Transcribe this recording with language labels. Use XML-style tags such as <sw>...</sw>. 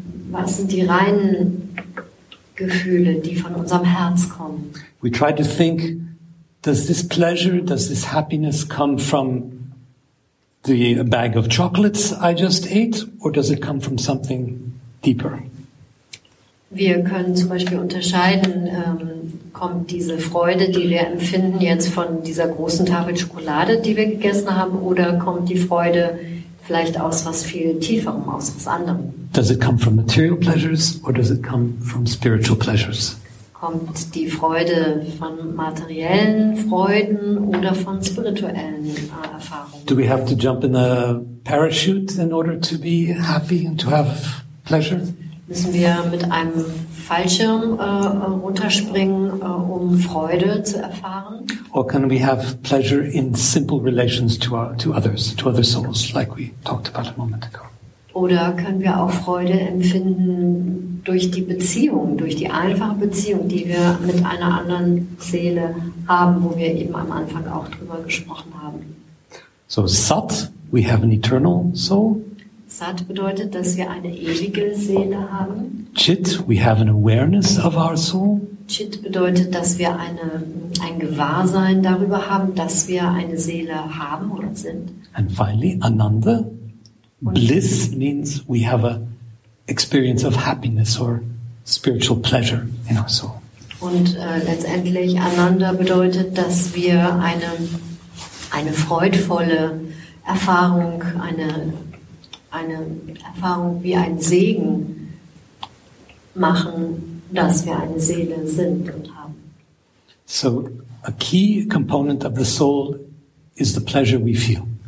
<de>Was sind die reinen Gefühle, die von unserem Herz kommen?</de> <en>We try to think, does this pleasure, does this happiness come from the bag of chocolates I just ate, or does it come from something deeper?</en> <de>Wir können zum Beispiel unterscheiden, kommt diese Freude, die wir empfinden, jetzt von dieser großen Tafel Schokolade, die wir gegessen haben, oder kommt die Freude vielleicht aus was viel Tieferem, aus was anderem?</de> <en>Does it come from material pleasures or does it come from spiritual pleasures?</en> <de>Kommt die Freude von materiellen Freuden oder von spirituellen Erfahrungen?</de> <en>Do we have to jump in a parachute in order to be happy and to have pleasure?</en> <de>Müssen wir mit einem Fallschirm runterspringen, um Freude zu erfahren?</de> <en>Or can we have pleasure in simple relations to other souls, like we talked about a moment ago?</en> <de>Oder können wir auch Freude empfinden durch die Beziehung, durch die einfache Beziehung, die wir mit einer anderen Seele haben, wo wir eben am Anfang auch drüber gesprochen haben?</de> <en>So sat, we have an eternal soul.</en> <de>Sat bedeutet, dass wir eine ewige Seele haben.</de> <en>Chit, we have an awareness of our soul.</en> <de>Chit bedeutet, dass wir ein Gewahrsein darüber haben, dass wir eine Seele haben oder sind.</de> <en>And finally, Ananda. Bliss means we have a experience of happiness or spiritual pleasure in our soul.</en> <de>Und letztendlich Ananda bedeutet, dass wir eine freudvolle Erfahrung, eine Erfahrung wie ein Segen machen, dass wir eine Seele sind und haben.</de> <en>So a key component of the soul is the pleasure we feel.</en>